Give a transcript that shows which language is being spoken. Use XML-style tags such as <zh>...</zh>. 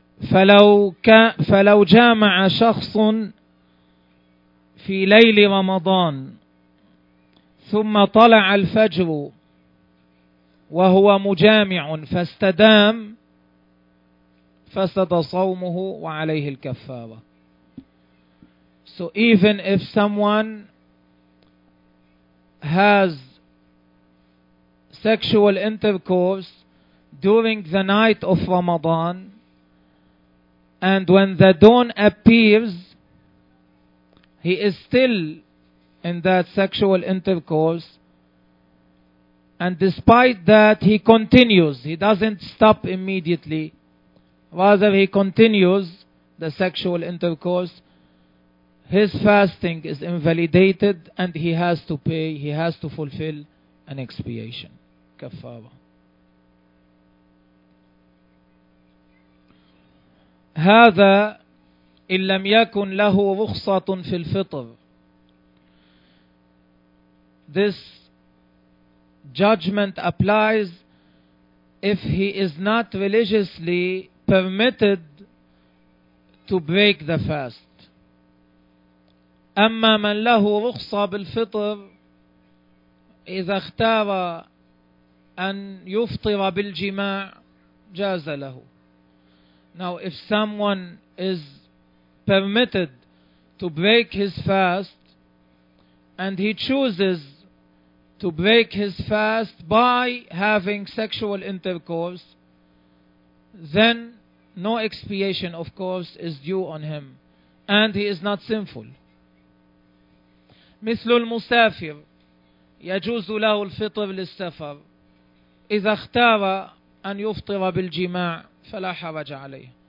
<ar>فلو جامع شخص في ليل رمضان ثم طلع الفجر وهو مجامع فاستدام فسد صومه وعليه الكفارة.</ar> <en>So even if someone has sexual intercourse during the night of Ramadan, and when the dawn appears, he is still in that sexual intercourse, and despite that he continues, he doesn't stop immediately, rather he continues the sexual intercourse, his fasting is invalidated and he has to pay, he has to fulfill an expiation, kafara.</en> <ar>هذا إن لم يكن له رخصة في الفطر.</ar> <en>This judgment applies if he is not religiously permitted to break the fast.</en> <ar>أما من له رخصة بالفطر, إذا اختار أن يفطر بالجماع جاز له.</ar> <en>Now if someone is permitted to break his fast and he chooses to break his fast by having sexual intercourse, then no expiation of course is due on him and he is not sinful.</en> <ar>مثل المسافر يجوز له الفطر للسفر إذا اختار أن يفطر بالجماع فلا حرج عليه.</ar>